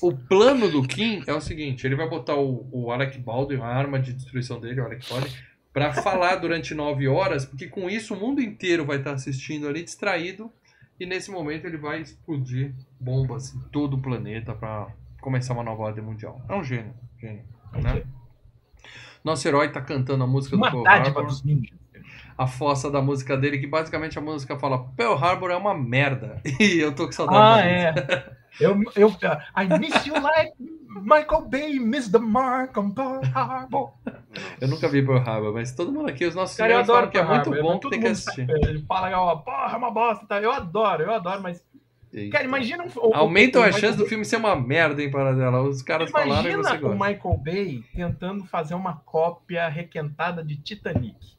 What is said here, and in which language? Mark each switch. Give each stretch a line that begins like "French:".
Portuguese: O plano do Kim é o seguinte: ele vai botar o Alec Baldwin, a arma de destruição dele, o Alec Baldwin, pra falar durante 9 horas, porque com isso o mundo inteiro vai estar assistindo ali, distraído, e nesse momento ele vai explodir bombas em todo o planeta pra começar uma nova ordem mundial. É um gênio. Gênio, né? Nosso herói tá cantando a música do Pearl Harbor. A fossa da música dele, que basicamente a música fala Pearl Harbor é uma merda. E eu tô com saudade. Ah, é.
English: Eu I miss you like Michael Bay missed the mark on Pearl Harbor.
Portuguese: Eu nunca vi Pearl Harbor, mas todo mundo aqui, os nossos caras falam que é muito bom, que tem que assistir. Ele fala, ó, porra, é uma bosta. Tá? Eu adoro, mas... Eita. Cara, imagina... Aumentam a chance do filme ser uma merda, hein, Paradela. Os caras falaram que você gosta. Imagina o Michael Bay tentando fazer uma cópia requentada de Titanic.